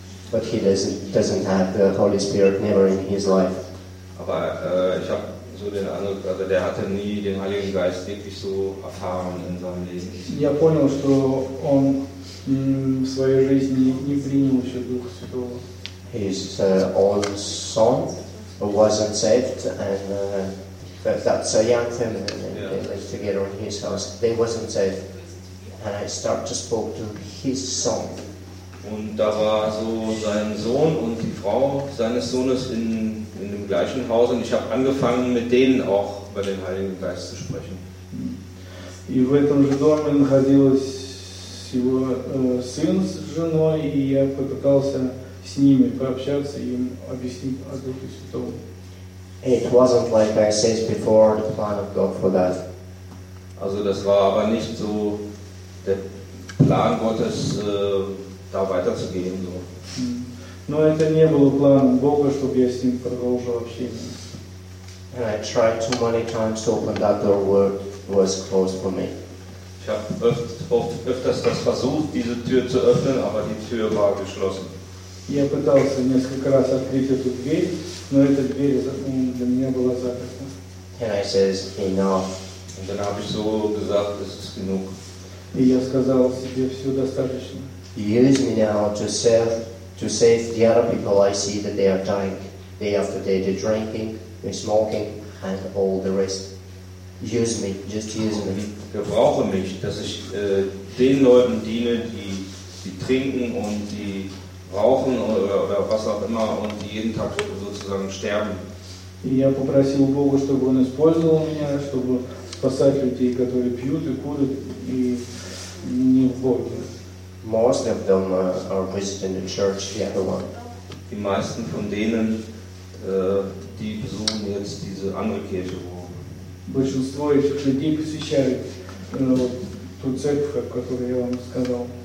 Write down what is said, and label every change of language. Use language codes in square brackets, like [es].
[en] But he doesn't have the Holy Spirit never in his life. [de] Aber ich habe so den Eindruck, also der hatte nie den Heiligen Geist wirklich so erfahren in seinem Leben. [ru] Я понял, что он в своей жизни не принял еще Духа Святого. [en] His own son wasn't saved, and that's a young family. They lived together in his house. They wasn't saved, and I start to spoke to his son. [de] Und da war so sein Sohn und die Frau seines Sohnes in dem gleichen Haus, und ich habe angefangen, mit denen auch über den Heiligen Geist zu sprechen. [ru] И в этом же доме находилось его сын с женой, и я попытался с ними пообщаться и им объяснить о Духе Святом. [en] It wasn't like I said before, the plan of God for that. [de] Also das war aber nicht so der Plan Gottes, da weiterzugehen. So. [ru] Но это не был план Бога, чтобы я с ним продолжил общение. [en] And I tried too many times to open that door, where it was closed for me. [de] Ich habe öfters das versucht, diese Tür zu öffnen, aber die Tür war geschlossen. [ru] Я пытался несколько раз открыть эту дверь, но эта дверь для меня была закрыта. [en] And I says enough. [de] Und dann habe ich so gesagt, es ist genug. [ru] И я сказал себе, все достаточно. [en] Use me now to save the other people. I see that they are dying day after day. They're drinking, they're smoking, and all the rest. Use me, just use me. [de] Gebrauche mich, dass ich den Leuten diene, die trinken und die rauchen oder was auch immer und die jeden Tag sozusagen sterben. [ru] Я попросил Бога, чтобы он использовал меня, чтобы спасать людей, которые пьют и курят и не в Боге. [en] Most of them are visiting the church, the other one. [de] Die meisten von denen, die besuchen jetzt diese andere Kirche. [ru] Большинство этих людей посещают ту церковь, о которой я вам сказал.